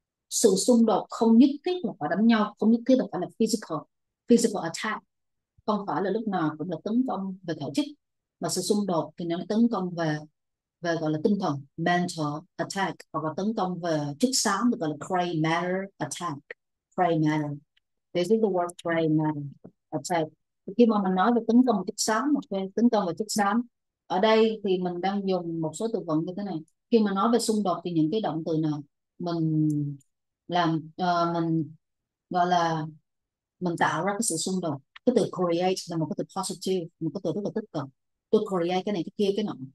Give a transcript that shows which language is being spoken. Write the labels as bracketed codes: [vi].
[vi] Sự xung đột không nhất thiết là phải đánh nhau, không nhất thiết là phải là [en] physical physical attack, [vi] không phải là lúc nào cũng là tấn công về thể chất, mà sự xung đột thì nó tấn công về về gọi là tinh thần, [en] mental attack, [vi] hoặc là tấn công về chất xám được gọi là [en] gray matter attack. Gray matter, this is the word gray matter attack. [vi] Khi mà mình nói về tấn công chất xám, okay, tấn công về chất xám ở đây thì mình đang dùng một số từ vựng như thế này. Khi mà nói về xung đột thì những cái động từ nào mình làm, mình gọi là mình tạo ra cái sự xung đột. Cái từ create là một cái từ [en] positive, [vi] một cái từ rất là tích cực, tôi create cái này cái kia cái nọ.